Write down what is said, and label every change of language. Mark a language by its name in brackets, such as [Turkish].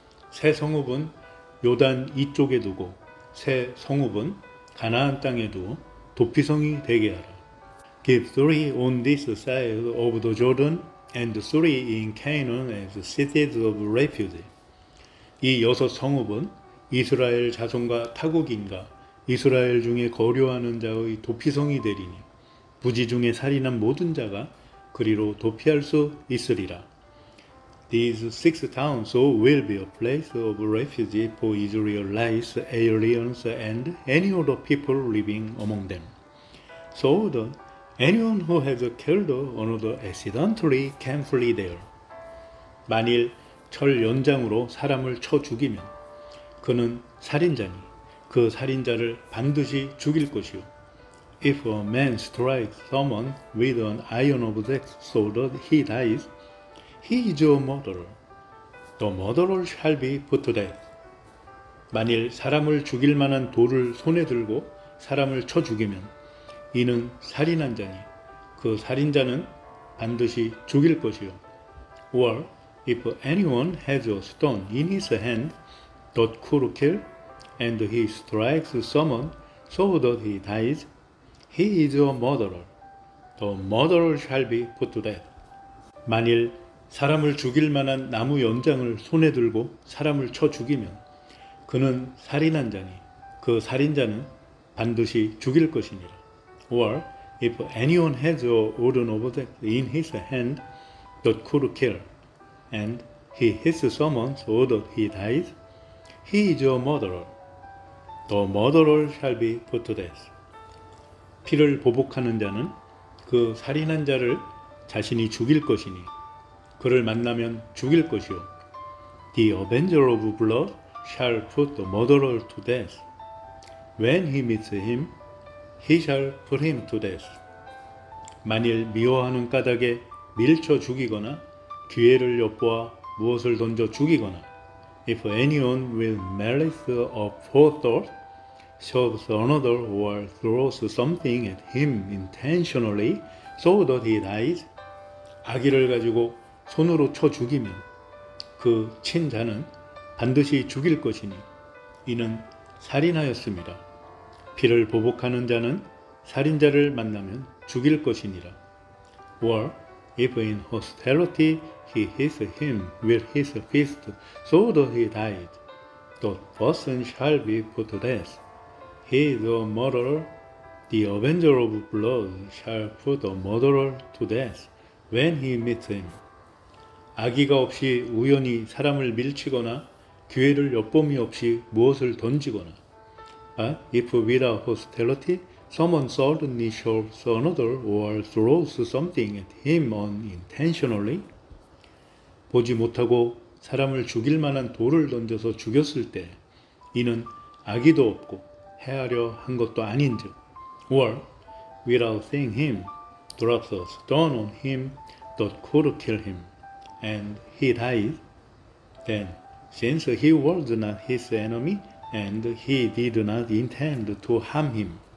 [Korean] 새 성읍은 요단 이쪽에 두고 새 성읍은 가나안 땅에 두어 도피성이 되게 하라. [English] Give three on this side of the Jordan and three in Canaan as cities of refuge. [Korean] 이 여섯 성읍은 이스라엘 자손과 타국인과 이스라엘 중에 거류하는 자의 도피성이 되리니 부지 중에 살인한 모든 자가 그리로 도피할 수 있으리라. [English] These six towns will be a place of refuge for Israelites, aliens, and any other people living among them. So anyone who has killed another accidentally can flee there. [Korean] 만일 철연장으로 사람을 쳐 죽이면 그는 살인자니 그 살인자를 반드시 죽일 것이요. [English] If a man strikes someone with an iron object so that he dies, he is a murderer. The murderer shall be put to death. [Korean] 만일 사람을 죽일 만한 돌을 손에 들고 사람을 쳐 죽이면 이는 살인한 자니 그 살인자는 반드시 죽일 것이요. [English] Or if anyone has a stone in his hand that could kill, and he strikes someone so that he dies, he is a murderer. The murderer shall be put to death. [Korean] 만일 사람을 죽일 만한 나무 연장을 손에 들고 사람을 쳐 죽이면 그는 살인한 자니 그 살인자는 반드시 죽일 것이니라. [English] Or if anyone has a wooden object in his hand that could kill, and he hits someone so that he dies, he is a murderer. The murderer shall be put to death. [Korean] 피를 보복하는 자는 그 살인한 자를 자신이 죽일 것이니 그를 만나면 죽일 것이요. [English] The avenger of blood shall put the murderer to death. When he meets him, he shall put him to death. [Korean] 만일 미워하는 까닭에 밀쳐 죽이거나 기회를 엿보아 무엇을 던져 죽이거나 [English] If anyone with malice or forethought shoves another or throws something at him intentionally so that he dies, [Korean] 악의를 가지고 손으로 쳐 죽이면 그 친 자는 반드시 죽일 것이니 이는 살인하였습니다. 피를 보복하는 자는 살인자를 만나면 죽일 것이니라. [English] Or if in hostility he hits him with his fist so that he dies, that person shall be put to death. He is a murderer. The avenger of blood shall put the murderer to death when he meets him. [Korean] 악의가 없이 우연히 사람을 밀치거나 기회를 엿보미 없이 무엇을 던지거나 [English] If without hostility someone suddenly shoves another or throws something at him unintentionally, [Korean] 보지 못하고 사람을 죽일 만한 돌을 던져서 죽였을 때 이는 악의도 없고 해하려 한 것도 아닌즉, [English] or without seeing him drops a stone on him that could kill him and he dies, then since he was not his enemy and he did not intend to harm him,